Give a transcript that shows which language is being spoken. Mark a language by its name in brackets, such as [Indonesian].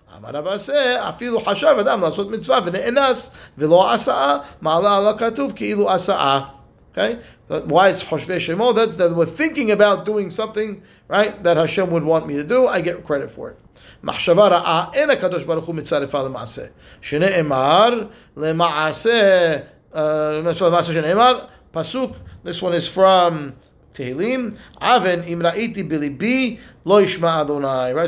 [Hebrew] אמר רב אסי, אפילו חשב אדם לעשות מצווה ונאנס ולא עשאה, מעלה על הכתוב כאילו עשאה. [English] Okay? But why it's [Hebrew] חושבי שמו? [English] That's that we're thinking about doing something, right, that Hashem would want me to do, I get credit for it. [Hebrew] מחשבה רעה, אין הקדוש ברוך הוא מצרפה למעשה. שנאמר, למעשה שנאמר, פסוק, [English] this one is from Tehillim, Aven, [Hebrew] אם ראיתי בליבי, לא ישמע אדוני, right?